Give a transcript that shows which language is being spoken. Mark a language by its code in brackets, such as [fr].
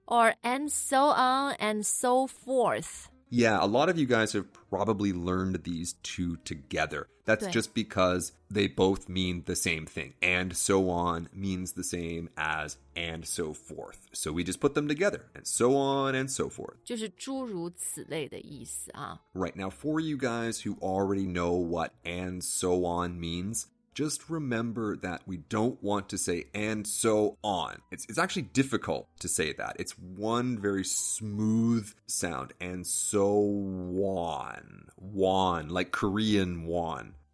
[en] Or and so on, and so forth. Yeah, a lot of you guys have probably learned these two together. That's just because they both mean the same thing. And so on means the same as and so forth. So we just put them together. And so on and so forth. [zh] 就是诸如此类的意思啊。 [en] Right, now for you guys who already know what and so on means... Just remember that we don't want to say and so on. It's actually difficult to say that. It's one very smooth sound. And so won. Won, like Korean won.